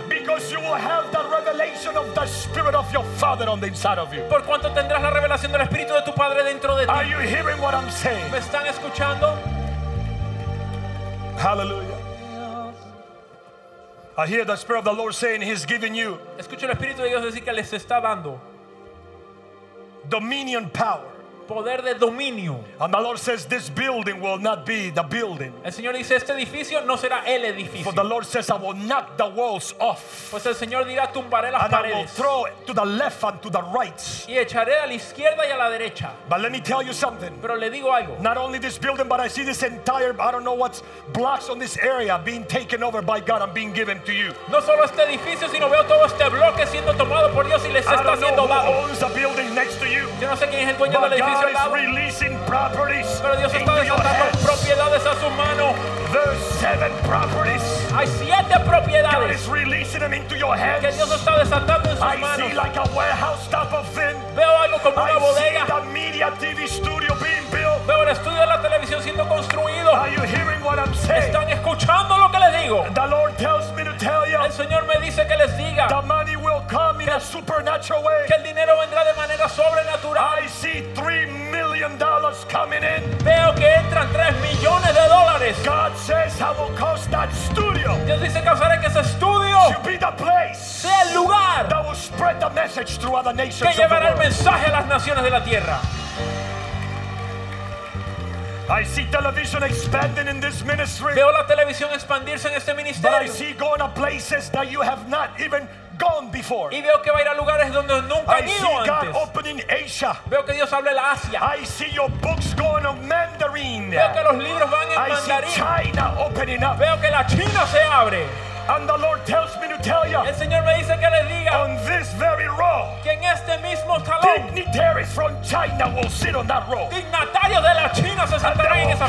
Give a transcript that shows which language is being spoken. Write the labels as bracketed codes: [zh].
[en] Because you will have the revelation of the Spirit of your Father on the inside of you. [es] Por cuanto tendrás la revelación del Espíritu de tu Padre dentro de ti. [en] Are you hearing what I'm saying? [es] ¿Me están escuchando? [en] Hallelujah. I hear the Spirit of the Lord saying He's giving you. [es] Escucho el Espíritu de Dios decir que les está dando. [en] Dominion power. [es] Poder de dominio. [en] And the Lord says this building will not be the building. [es] El Señor dice este edificio no será el edificio. [en] For the Lord says I will knock the walls off. [es] Pues el Señor dirá tumbaré las [en] and [es] paredes. [en] I will throw it to the left and to the right. [es] Y echaré a la izquierda y a la derecha. [en] But let me tell you something. [es] Pero le digo algo. [en] Not only this building but I see this entire I don't know what blocks on this area being taken over by God and being given to you. [es] No solo este edificio sino veo todo este bloque siendo tomado por Dios y les está siendo dado. [en] I don't know who owns the building next to you. [es] Yo no sé quién es el dueño del edificio. [en] God is releasing properties. [es] Pero Dios está desatando propiedades a su mano. [en] There's seven properties. [es] Hay siete propiedades. [en] God is releasing them into your hands. [es] Que Dios está desatando en sus [en] I [es] manos. [en] See like a warehouse top of them. [es] Veo algo como una [en] I [es] bodega. [en] See the media TV studio being built. [es] Veo el estudio de la televisión siendo construido. [en] Are you hearing what I'm saying? [es] Están escuchando lo que les digo. [en] The Lord tells me to tell you. [es] El Señor me dice que les diga. [en] The money will come in a supernatural way. [es] Que el dinero vendrá de manera sobrenatural. [en] I see $3 million coming in. [es] Veo que entran 3 millones de dólares. [en] God says I will cause that studio. [es] Dios dice que usaré que ese estudio [en] to be the place. [es] Sea el lugar. [en] That will spread the message through other nations of the world. [es] Que llevará el mensaje a las naciones de la tierra. [en] I see television expanding in this ministry. [es] Veo la televisión expandirse en este ministerio. [en] But I see going to places that you have not even gone before. [es] Y veo que va a ir a lugares donde nunca [en] I see God [es] antes. [en] Opening Asia. [es] Veo que Dios habla de Asia. [en] I see your books going on Mandarin. [es] Veo que los libros van en [en] I [es] mandarín. [en] I see China opening up. [es] Veo que la China se abre. [en] And the Lord tells me to tell you. [es] El Señor me dice que le diga. [en] On this very row. [es] Que en este mismo salón. [en] Dignitaries from China will sit on that row. [es] Dignatarios de la China se sentarán en esa